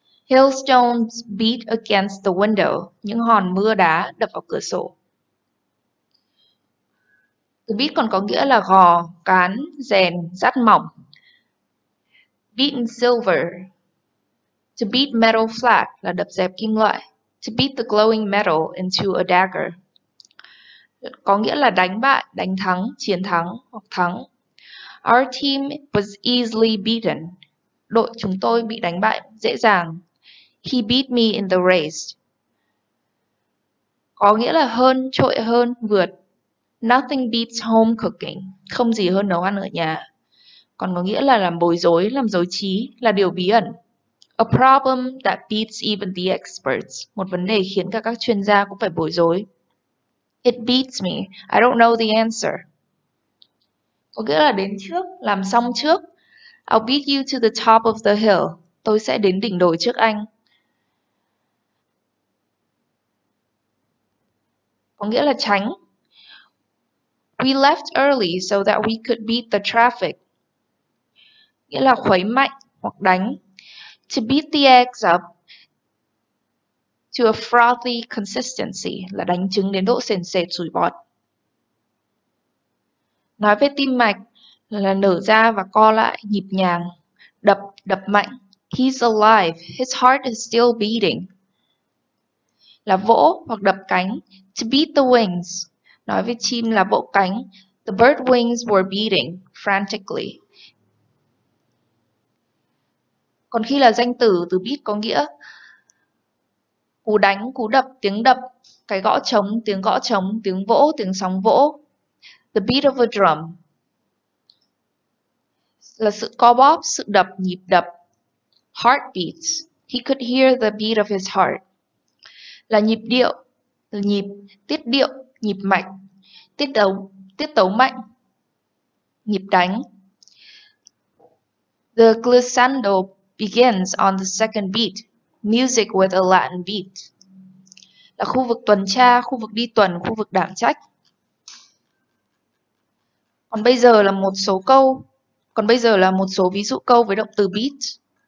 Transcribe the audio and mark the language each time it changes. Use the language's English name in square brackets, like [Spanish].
[English] Hailstones beat against the window. [Vietnamese] Những hòn mưa đá đập vào cửa sổ. Từ beat còn có nghĩa là gò, cán, rèn, dát mỏng. [English] Beaten silver. To beat metal flat [Vietnamese] là đập dẹp kim loại. [English] To beat the glowing metal into a dagger. [Vietnamese] Có nghĩa là đánh bại, đánh thắng, chiến thắng hoặc thắng. [English] Our team was easily beaten. [Vietnamese] Đội chúng tôi bị đánh bại dễ dàng. [English] He beat me in the race. [Vietnamese] Có nghĩa là hơn, trội hơn, vượt. [English] Nothing beats home cooking. [Vietnamese] Không gì hơn nấu ăn ở nhà. còn có nghĩa là làm bối rối, làm rối trí, là điều bí ẩn. [English] A problem that beats even the experts. [Vietnamese] Một vấn đề khiến cả các chuyên gia cũng phải bối rối. [English] It beats me. I don't know the answer. [Vietnamese] Có nghĩa là đến trước, làm xong trước. [English] I'll beat you to the top of the hill. [Vietnamese] Tôi sẽ đến đỉnh đồi trước anh. Có nghĩa là tránh. [English] We left early so that we could beat the traffic. [Vietnamese] Nghĩa là khuấy mạnh hoặc đánh. [English] To beat the eggs up to a frothy consistency [Vietnamese] là đánh trứng đến độ sền sệt sủi bọt. Nói về tim mạch là nở ra và co lại nhịp nhàng, đập đập mạnh. [English] He's alive, his heart is still beating. [Vietnamese] Là vỗ hoặc đập cánh. [English] To beat the wings. [Vietnamese] Nói về chim là vỗ cánh. [English] The bird wings were beating frantically. [Vietnamese] Còn khi là danh từ, từ beat có nghĩa cú đánh, cú đập, tiếng đập, cái gõ trống, tiếng vỗ, tiếng sóng vỗ. [English] The beat of a drum. [Vietnamese] Là sự co bóp, sự đập, nhịp đập. [English] Heartbeats. He could hear the beat of his heart. [Vietnamese] Là nhịp điệu. Nhịp, tiết điệu, nhịp mạch, tiết tấu mạnh, nhịp đánh. [English] The glissando begins on the second beat, music with a Latin beat. [Vietnamese] Là khu vực tuần tra, khu vực đi tuần, khu vực đảm trách. Còn bây giờ là một số câu, còn bây giờ là một số ví dụ câu với động từ beat.